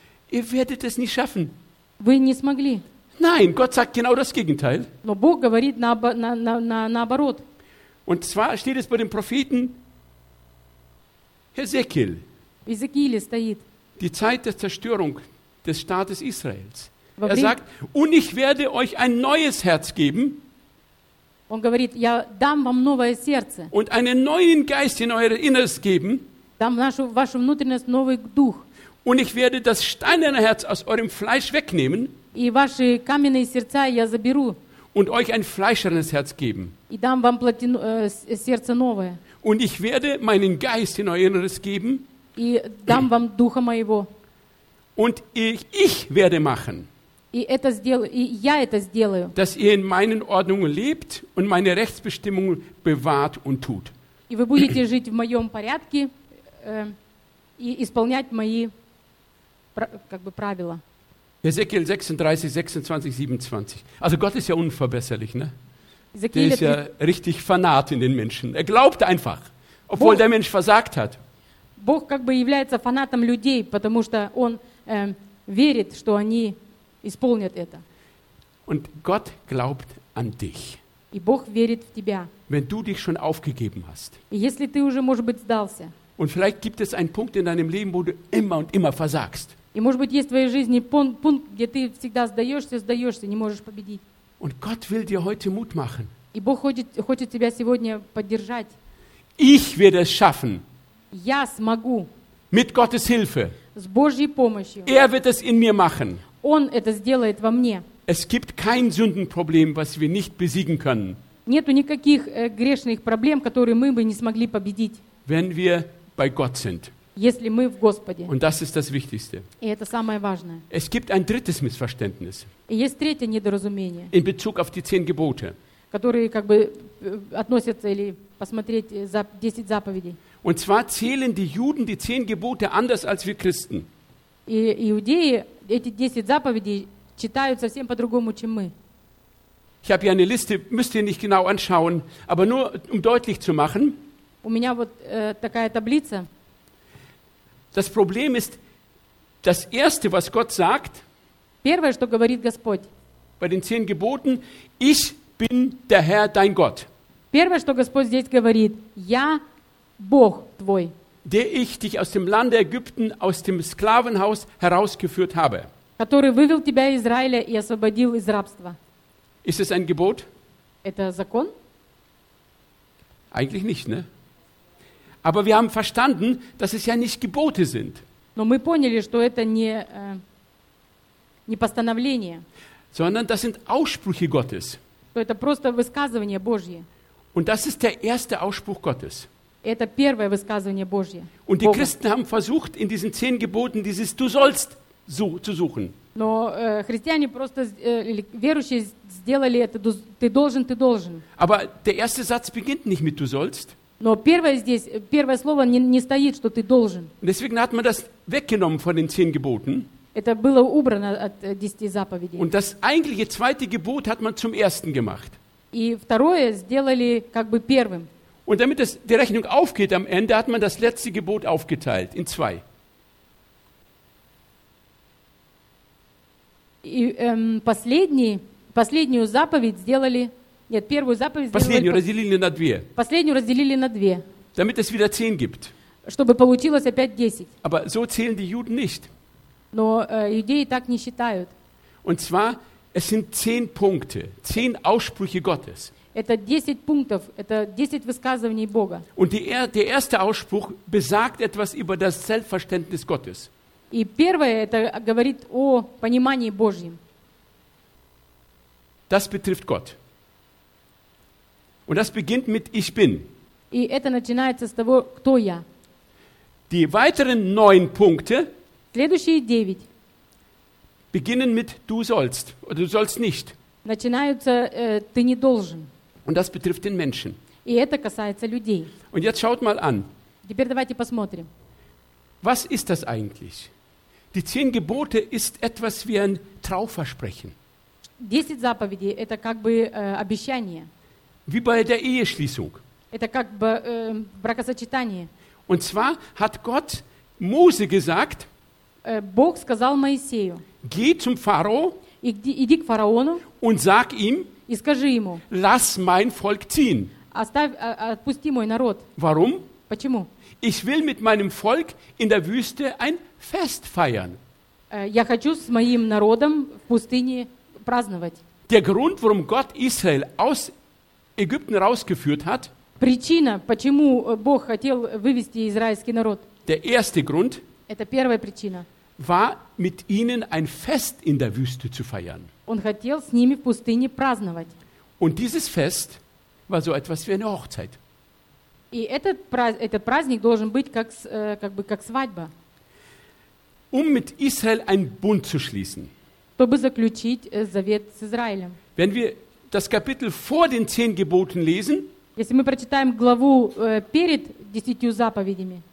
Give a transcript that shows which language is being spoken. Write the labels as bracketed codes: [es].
[de] Ihr werdet es nicht schaffen. [ru] Вы не смогли. [de] Nein, Gott sagt genau das Gegenteil. [ru] Но Бог говорит наоборот. [de] Und zwar steht es bei den Propheten Ezekiel. [ru] Ezekiel стоит. [de] Die Zeit der Zerstörung des Staates Israels. Er sagt, und ich werde euch ein neues Herz geben. [ru] Он говорит, я дам вам новое сердце. [de] Und einen neuen Geist in euer Inneres geben. [ru] Дам вашу внутренность новый дух. [de] Und ich werde das steinerne Herz aus eurem Fleisch wegnehmen. [ru] И ваши каменные сердца я заберу. [de] Und euch ein fleischernes Herz geben. [ru] И дам вам сердце новое. [de] Und ich werde meinen Geist in euer Inneres geben. [ru] И дам вам духа моего. [de] Und ich werde machen. [ru] И это сделаю, и я это сделаю. [de] Dass ihr in meinen Ordnungen lebt und meine Rechtsbestimmungen bewahrt und tut. [ru] И вы будете жить в моем порядке и исполнять мои как бы правила. [de] Ezekiel 36, 26, 27. Also Gott ist ja unverbesserlich, ne? Der ist ja richtig Fanat in den Menschen. Er glaubt einfach, obwohl der Mensch versagt hat. [ru] Бог как бы является фанатом людей, потому что он верит, что они исполнят это. [de] Und Gott glaubt an dich. [ru] И Бог верит в тебя. [de] Wenn du dich schon aufgegeben hast. [ru] И если ты уже, может быть, сдался. [de] Und vielleicht gibt es einen Punkt in deinem Leben, wo du immer und immer versagst. [ru] И, может быть, есть в твоей жизни пункт, где ты всегда сдаешься, не можешь победить. [de] Und Gott will dir heute Mut machen. [ru] И Бог хочет тебя сегодня поддержать. [de] Ich werde es schaffen. [ru] Я смогу. [de] Mit Gottes Hilfe. [ru] С Божьей помощью. [de] Er wird es in mir machen. [ru] Он это сделает во мне. [de] Es gibt kein Sündenproblem, was wir nicht besiegen können. [ru] Нету никаких грешных проблем, которые мы бы не смогли победить. [de] Wenn wir bei Gott sind. [ru] Если мы в Господе. [de] Und das ist das Wichtigste. [ru] И это самое важное. [de] Es gibt ein drittes Missverständnis. [ru] И есть третье недоразумение. [de] In Bezug auf die 10 Gebote. [ru] Которые как бы относятся или посмотреть за 10 заповедей. [de] Und zwar zählen die Juden die 10 Gebote anders als wir Christen. [ru] И иудеи эти 10 заповедей читают совсем по-другому, чем мы. [de] Ich habe hier eine Liste, müsst ihr nicht genau anschauen, aber nur um deutlich zu machen. [ru] У меня вот такая таблица. [de] Das Problem ist, das Erste, was Gott sagt, [ru] первое, что говорит Господь, [de] bei den 10 Geboten, ich bin der Herr, dein Gott. [ru] Первое, что Господь здесь говорит, я Бог твой. [de] Der ich dich aus dem Land Ägypten, aus dem Sklavenhaus herausgeführt habe. [ru] Который вывел тебя из Израиля и освободил из рабства. [de] Ist es ein Gebot? [ru] Это закон? [de] Eigentlich nicht, ne? Aber wir haben verstanden, dass es ja nicht Gebote sind. [ru] Но мы поняли, что это не постановление. [de] Sondern das sind Aussprüche Gottes. [ru] Это просто высказывание Божье. [de] Und das ist der erste Ausspruch Gottes. [ru] Это первое высказывание Божье. [de] Und die Christen haben versucht, in diesen 10 Geboten dieses Du sollst so zu suchen. [ru] Но христиане просто верующие сделали это ты должен, ты должен. [de] Aber der erste Satz beginnt nicht mit Du sollst. [ru] Но первое здесь, первое слово не стоит, что ты должен. [de] Deswegen hat man das weggenommen von den 10 Geboten. [ru] Это было убрано от 10 заповедей. [de] Und das eigentliche zweite Gebot hat man zum ersten gemacht. [ru] И второе сделали как бы первым. [de] Und damit das, die Rechnung aufgeht am Ende, hat man das letzte Gebot aufgeteilt in zwei. [ru] Последнюю заповедь сделали... Нет, первую заповедь сделали... Последнюю разделили на две. [de] Damit es wieder 10 gibt. [ru] Чтобы получилось опять 10. [de] Aber so zählen die Juden nicht. [ru] Но иудеи так не считают. [de] Und zwar, es sind 10 Punkte, 10 Aussprüche Gottes. [ru] Это 10 пунктов, это 10 высказываний Бога. [de] Und der erste Ausspruch besagt etwas über das Selbstverständnis Gottes. [ru] И первое, это говорит о понимании Божьем. [de] Das betrifft Gott. Und das beginnt mit Ich bin. [ru] И это начинается с того, кто я. [de] Die weiteren 9 Punkte [ru] следующие 9 [de] beginnen mit Du sollst oder Du sollst nicht. [ru] Начинаются Ты не должен. [de] Und das betrifft den Menschen. [ru] И это касается людей. [de] Und jetzt schaut mal an. [ru] Теперь давайте посмотрим. [de] Was ist das eigentlich? Die 10 Gebote ist etwas wie ein Trauversprechen. [ru] 10 заповедей – это как бы обещание. [de] Wie bei der Eheschließung. [ru] Это как бы бракосочетание. [de] Und zwar hat Gott Mose gesagt, [ru] Бог сказал Моисею, [de] geh zum Pharao, [ru] иди к фараону, [de] und sag ihm, [ru] и скажи ему, [de] lass mein Volk ziehen. [ru] Отпусти мой народ. [de] Warum? [ru] Почему? [de] Ich will mit meinem Volk in der Wüste ein Fest feiern. [ru] Я хочу с моим народом в пустыне праздновать. [de] Der Grund, warum Gott Israel aus Ägypten rausgeführt hat, [ru] причина, почему Бог хотел вывести израильский народ, [de] der erste Grund, [ru] это первая причина, [de] war, mit ihnen ein Fest in der Wüste zu feiern. [ru] Он хотел с ними в пустыне праздновать. [de] Und dieses Fest war so etwas wie eine Hochzeit. [ru] И этот праздник должен быть как свадьба. [de] Um mit Israel einen Bund zu schließen. [ru] Чтобы заключить завет с Израилем. [de] Wenn wir das Kapitel vor den 10 Geboten lesen, [ru] если мы прочитаем главу перед 10 заповедями,